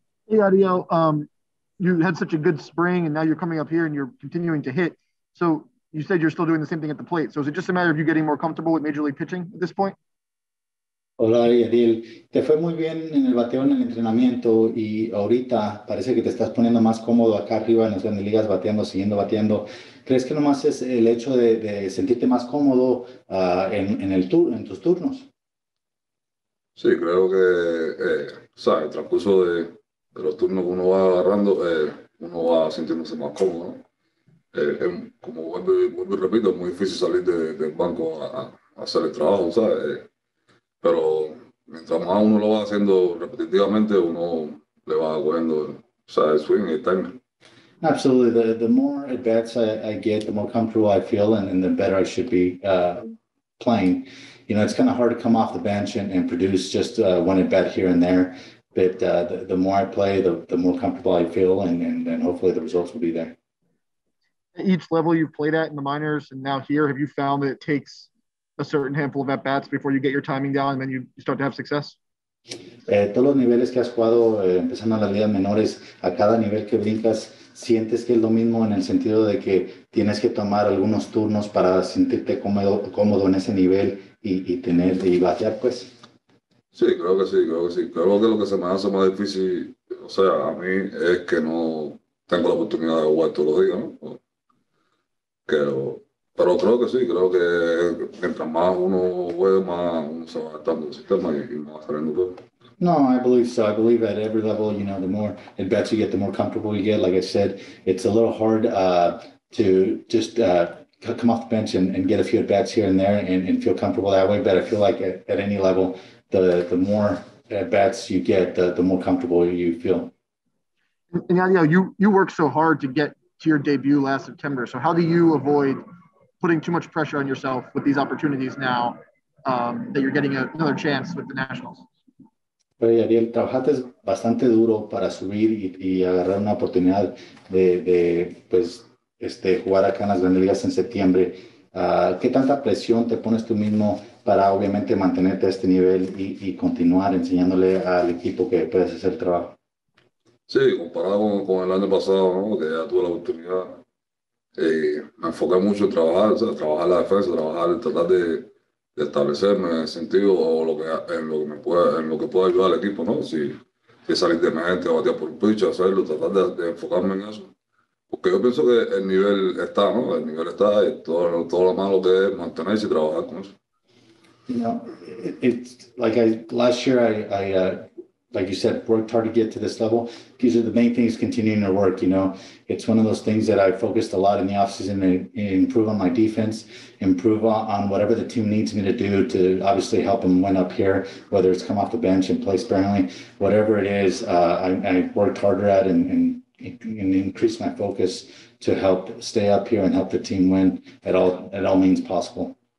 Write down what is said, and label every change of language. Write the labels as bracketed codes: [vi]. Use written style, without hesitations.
[en] Hey, Ariel, you had such a good spring, and now you're coming up here and you're continuing to hit. So you said you're still doing the same thing at the plate. So is it just a matter of you getting more comfortable with major league pitching at this point? [es] Hola, Yadiel. Te fue muy bien en el bateo en el entrenamiento y ahorita parece que te estás poniendo más cómodo acá arriba en las grandes ligas, bateando, siguiendo bateando. ¿Crees que nomás es el hecho de sentirte más cómodo en tus turnos? Sí, creo que, sabes, el transcurso de los turnos que uno va agarrando, uno va sintiéndose más cómodo, ¿no? Como vuelvo y repito, es muy difícil salir del banco a hacer el trabajo, ¿sabes? Pero mientras más uno lo va haciendo repetitivamente, uno le va cogiendo, ¿sabes? Swing y timing. [en] Absolutely. The more at bats I get, the more comfortable I feel, and the better I should be playing. You know, it's kind of hard to come off the bench and produce just one at bat here and there. But the more I play, the more comfortable I feel, and hopefully the results will be there. Each level you've played at in the minors and now here, have you found that it takes a certain handful of at bats before you get your timing down and then you start to have success? [es] Todos los niveles que has jugado, empezando en las ligas menores, a cada nivel que brincas, ¿sientes que es lo mismo en el sentido de que tienes que tomar algunos turnos para sentirte cómodo en ese nivel y tener y batear, pues? Sí, creo que sí, creo que sí. Creo que lo que se me hace más difícil, o sea, a mí es que no tengo la oportunidad de jugar todos los días, ¿no? Pero creo que sí, creo que mientras más uno juega, más uno se va adaptando al sistema y más saliendo todo. [en] No, I believe so. I believe at every level, you know, the more at bats you get, the more comfortable you get. Like I said, it's a little hard to just come off the bench and get a few at bats here and there and feel comfortable that way. But I feel like at any level, the more at bats you get, the more comfortable you feel. And yeah, you worked so hard to get to your debut last September. So how do you avoid putting too much pressure on yourself with these opportunities now that you're getting another chance with the Nationals? [es] Pero Ariel, trabajaste bastante duro para subir y agarrar una oportunidad de jugar acá en las Grandes Ligas en septiembre. ¿Qué tanta presión te pones tú mismo para obviamente mantenerte a este nivel y continuar enseñándole al equipo que puedes hacer el trabajo? Sí, comparado con el año pasado, ¿no? Que ya tuve la oportunidad, me enfoqué mucho en trabajar, ¿sabes? Trabajar la defensa, trabajar en tratar de establecerme en el sentido o en lo que pueda ayudar al equipo, ¿no? Si salir de emergente o batear por un pitch, hacerlo, tratar de enfocarme en eso. Porque yo pienso que el nivel está, ¿no? El nivel está y todo lo malo que es mantenerse y trabajar con eso. [en] You know, it's like I last year like you said, worked hard to get to this level. These are the main things continuing to work. You know, it's one of those things that I focused a lot in the offseason to improve on my defense, improve on whatever the team needs me to do to obviously help them win up here, whether it's come off the bench and play sparingly, whatever it is, I worked harder at and increased my focus to help stay up here and help the team win at all means possible.